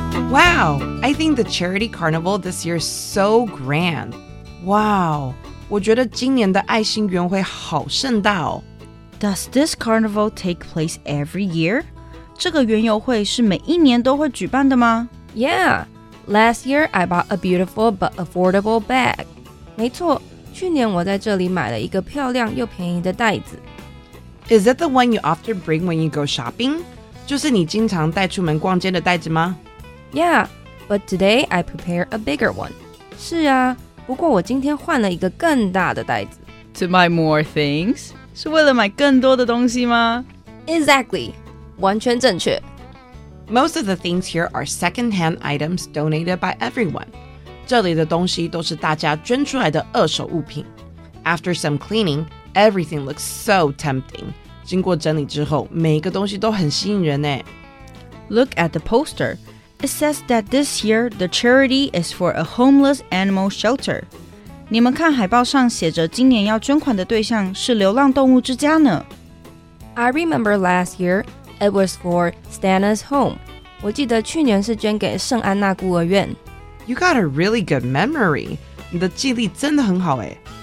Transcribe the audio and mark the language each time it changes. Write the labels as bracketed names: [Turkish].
[English] Wow, I think the charity carnival this year is so grand. [Chinese] Wow, 我觉得今年的爱心园会好盛大哦。 [English] Does this carnival take place every year? [Chinese] 这个园游会是每一年都会举办的吗？ [English] Yeah, last year I bought a beautiful but affordable bag. [Chinese] 没错。去年我在这里买了一个漂亮又便宜的袋子。 [English] Is it the one you often bring when you go shopping? [Chinese] 就是你经常带出门逛街的袋子吗？ [English] Yeah, but today I prepare a bigger one. [Chinese] 是啊，不过我今天换了一个更大的袋子。 [English] To buy more things? [Chinese] 是为了买更多的东西吗？ [English] Exactly, [Chinese] 完全正确。 [English] Most of the things here are second-hand items donated by everyone. [Chinese] 这里的东西都是大家捐出来的二手物品。 [English] After some cleaning, everything looks so tempting. [Chinese] 经过整理之后，每一个东西都很吸引人耶。 [English] Look at the poster. It says that this year, the charity is for a homeless animal shelter. [Chinese] 你们看海报上写着今年要捐款的对象是流浪动物之家呢。 [English] I remember last year, it was for Stana's home. [Chinese] 我记得去年是捐给圣安娜孤儿院。 [English] You got a really good memory. [Chinese] 你的记忆力真的很好耶。